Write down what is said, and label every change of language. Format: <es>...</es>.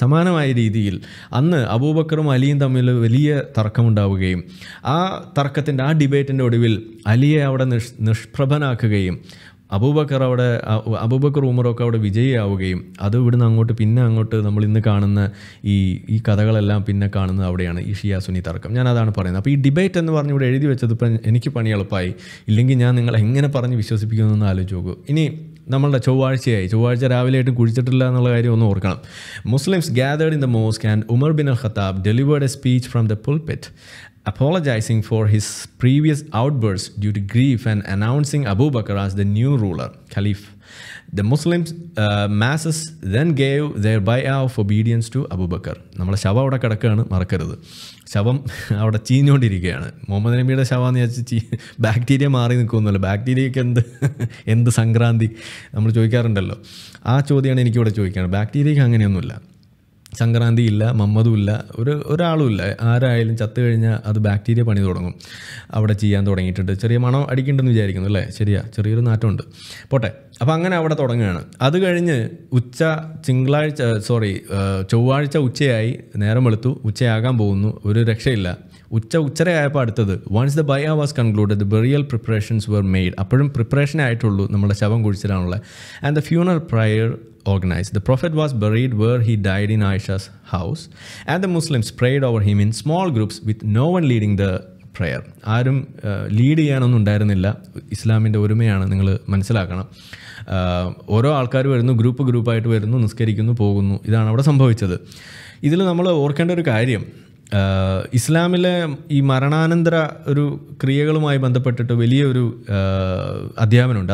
<ml>സമാനമായ രീതിയിൽ അന്ന് അബൂബക്കറും അലിയും തമ്മിൽ വലിയ തർക്കമുണ്ടാവുകയും ആ തർക്കത്തിൻ്റെ ആ ഡിബേറ്റിൻ്റെ ഒടുവിൽ അലിയെ അവിടെ നിഷ്പ്രഭനാക്കുകയും അബൂബക്കർ ഉമറൊക്കെ അവിടെ വിജയിയാവുകയും അത് ഇവിടുന്ന് അങ്ങോട്ട് പിന്നെ അങ്ങോട്ട് നമ്മൾ ഇന്ന് കാണുന്ന ഈ കഥകളെല്ലാം പിന്നെ കാണുന്നത് അവിടെയാണ് ഈ ഷിയ സുനി തർക്കം. ഞാൻ അതാണ് പറയുന്നത്. അപ്പോൾ ഈ ഡിബേറ്റ് എന്ന് പറഞ്ഞ് ഇവിടെ എഴുതി വെച്ചതിപ്പം എനിക്ക് പണി എളുപ്പമായി, ഇല്ലെങ്കിൽ ഞാൻ നിങ്ങളെ എങ്ങനെ പറഞ്ഞ് വിശ്വസിപ്പിക്കുന്നതെന്ന് ആലോചിച്ച് നോക്കൂ. ഇനി നമ്മളുടെ ചൊവ്വാഴ്ചയായി, ചൊവ്വാഴ്ച രാവിലെയായിട്ടും കുഴിച്ചിട്ടില്ല എന്നുള്ള കാര്യം ഒന്ന് ഓർക്കണം.</ml> <en>Muslims gathered in the mosque and Umar bin al Khattab delivered a speech from the pulpit apologizing for his previous outbursts due to grief and announcing Abu Bakr as the new ruler, Caliph. The Muslims masses then gave their bay'ah of obedience to Abu Bakr.</en> <ml>നമ്മളെ ശവം അവിടെ കിടക്കുകയാണ്, മറക്കരുത്, ശവം അവിടെ ചീഞ്ഞുകൊണ്ടിരിക്കുകയാണ്. മുഹമ്മദ് നബിയുടെ ശവമെന്ന് വെച്ചാൽ bacteria മാറി നിൽക്കുമെന്നല്ലോ. ബാക്ടീരിയയ്ക്ക് എന്ത് സംക്രാന്തി നമ്മൾ ചോദിക്കാറുണ്ടല്ലോ, ആ ചോദ്യമാണ് എനിക്കിവിടെ ചോദിക്കുന്നത്. ബാക്ടീരിയയ്ക്ക് അങ്ങനെയൊന്നുമില്ല, സംക്രാന്തി ഇല്ല, മമ്മതും ഇല്ല, ഒരാളും ഇല്ല. ആരായാലും ചത്തു കഴിഞ്ഞാൽ അത് ബാക്ടീരിയ പണി തുടങ്ങും, അവിടെ ചെയ്യാൻ തുടങ്ങിയിട്ടുണ്ട്. ചെറിയ മണം അടിക്കുന്നുണ്ടെന്ന് വിചാരിക്കുന്നു അല്ലേ, ശരിയാ, ചെറിയൊരു നാറ്റമുണ്ട്, പോട്ടെ. അപ്പോൾ അങ്ങനെ അവിടെ തുടങ്ങുകയാണ്. അത് കഴിഞ്ഞ് ഉച്ച തിങ്കളാഴ്ച, സോറി, ചൊവ്വാഴ്ച ഉച്ചയായി, നേരം വെളുത്തു, ഉച്ചയാകാൻ പോകുന്നു, ഒരു രക്ഷയില്ല. ഉച്ചരയായപ്പോൾ അടുത്തത്,</ml> <en>Once the ബയ was concluded the burial preparations were made.</en> <ml>അപ്പോഴും പ്രിപ്പറേഷനായിട്ടുള്ളൂ നമ്മുടെ ശവം കുഴിച്ചിടാനുള്ള.</ml> <en>And the funeral prayer organized. The Prophet was buried where he died in Aisha's house, and the Muslims prayed over him in small groups with no one leading the prayer.</en> <ml>ആരും lead ചെയ്യാനൊന്നും ഉണ്ടായിരുന്നില്ല. ഇസ്ലാമിൻ്റെ ഒരുമയാണ്, നിങ്ങൾ മനസ്സിലാക്കണം. ഓരോ ആൾക്കാർ വരുന്നു, ഗ്രൂപ്പ് ഗ്രൂപ്പായിട്ട് വരുന്നു, നിസ്കരിക്കുന്നു, പോകുന്നു. ഇതാണ് അവിടെ സംഭവിച്ചത്. ഇതിൽ നമ്മൾ ഓർക്കേണ്ട ഒരു കാര്യം, ഇസ്ലാമിലെ ഈ മരണാനന്തര ഒരു ക്രിയകളുമായി ബന്ധപ്പെട്ടിട്ട് വലിയൊരു അധ്യാപനമുണ്ട്.</ml>